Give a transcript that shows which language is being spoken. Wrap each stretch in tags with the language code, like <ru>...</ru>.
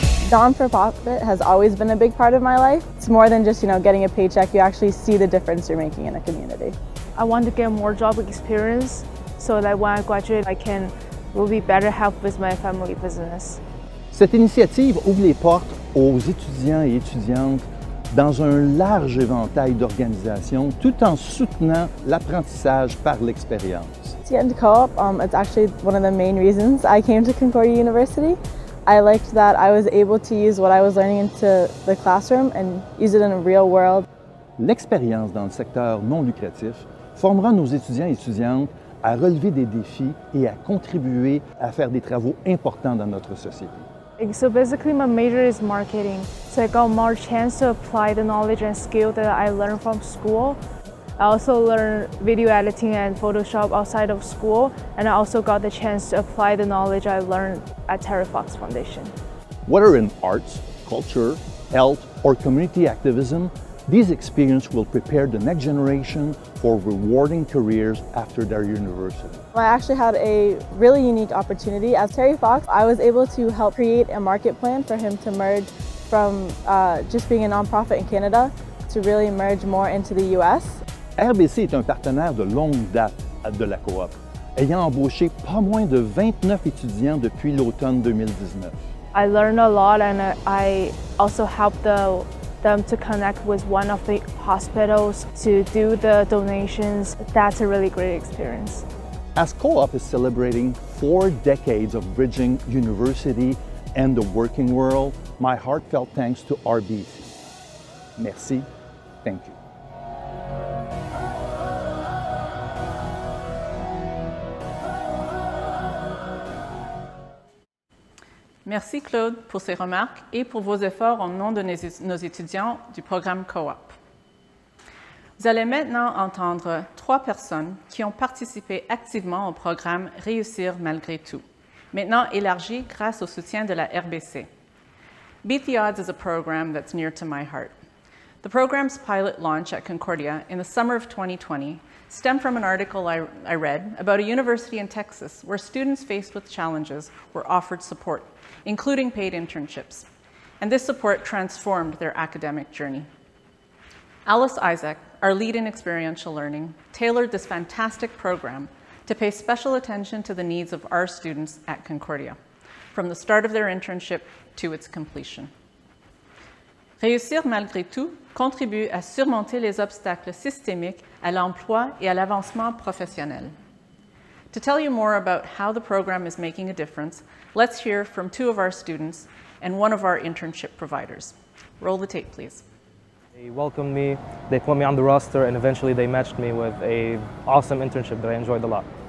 <en>Non-for-profit has always been a big part of my life. It's more than just, you know, getting a paycheck. You actually see the difference you're making in a community. I want to get more job experience so that when I graduate, I can really better help with my family business.</en> <fr>Cette initiative ouvre les portes aux étudiants et étudiantes dans un large éventail d'organisations tout en soutenant l'apprentissage par l'expérience.</fr> <en>To get into co-op, it's actually one of the main reasons I came to Concordia University. I liked that I was able to use what I was learning into the classroom and use it in a real world.</en> <fr>L'expérience dans le secteur non lucratif formera nos étudiants et étudiantes à relever des défis et à contribuer à faire des travaux importants dans notre société.</fr> <en>So basically my major is marketing. So I got more chance to apply the knowledge and skill that I learned from school. I also learned video editing and Photoshop outside of school, and I also got the chance to apply the knowledge I learned at Terry Fox Foundation. Whether in arts, culture, health, or community activism, these experiences will prepare the next generation for rewarding careers after their university. I actually had a really unique opportunity. As Terry Fox, I was able to help create a market plan for him to merge from just being a nonprofit in Canada to really merge more into the US.</en> <fr>RBC est un partenaire de longue date de la Co-op, ayant embauché pas moins de 29 étudiants depuis l'automne 2019.</fr> <en>I learned a lot and I also helped them to connect with one of the hospitals to do the donations. That's a really great experience. As Co-op is celebrating four decades of bridging university and the working world, my heartfelt thanks to RBC. Merci, thank you.</en> <fr>Merci, Claude, pour ces remarques et pour vos efforts au nom de nos étudiants du programme Co-op. Vous allez maintenant entendre trois personnes qui ont participé activement au programme Réussir malgré tout, maintenant élargi grâce au soutien de la RBC.</fr> <en>Beat the Odds is a program that's near to my heart. The program's pilot launch at Concordia in the summer of 2020 stemmed from an article I read about a university in Texas where students faced with challenges were offered support, including paid internships. And this support transformed their academic journey. Alice Isaac, our lead in experiential learning, tailored this fantastic program to pay special attention to the needs of our students at Concordia, from the start of their internship to its completion.</en> <fr>Réussir malgré tout contribue à surmonter les obstacles systémiques à l'emploi et à l'avancement professionnel.</fr> <en>To tell you more about how the program is making a difference, let's hear from two of our students and one of our internship providers. Roll the tape, please. They welcomed me, they put me on the roster, and eventually they matched me with an awesome internship that I enjoyed a lot.</en>